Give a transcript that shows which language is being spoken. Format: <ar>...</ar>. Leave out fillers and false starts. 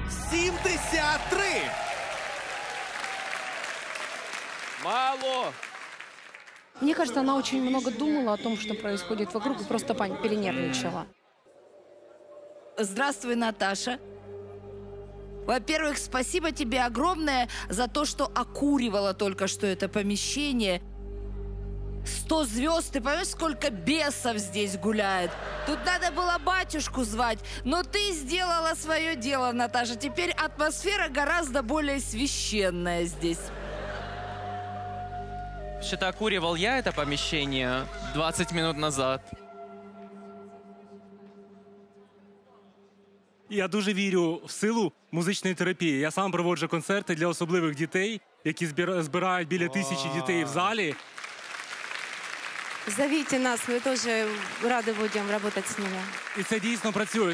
<uk>73! Мало! Мені</uk> <ru>кажется,</ru> <uk>вона дуже багато думала</uk> <ru>о том,</ru> <uk>що</uk> <ru>происходит вокруг,</ru> <uk>і просто перенервничала.</uk> <ru>Здравствуй, Наташа. Во-первых, спасибо тебе огромное за то, что окуривала только что это помещение. 100 звезд, ты понимаешь, сколько бесов здесь гуляет? Тут надо было батюшку звать, но ты сделала свое дело, Наташа. Теперь атмосфера гораздо более священная здесь. Вообще-то окуривал я это помещение 20 минут назад.</ru> <uk>Я дуже вірю в силу музичної терапії. Я сам проводжу концерти для особливих дітей, які збирають біля тисячі дітей в залі. Зовіть нас, ми теж раді будемо працювати з ними. І це дійсно працює.</uk>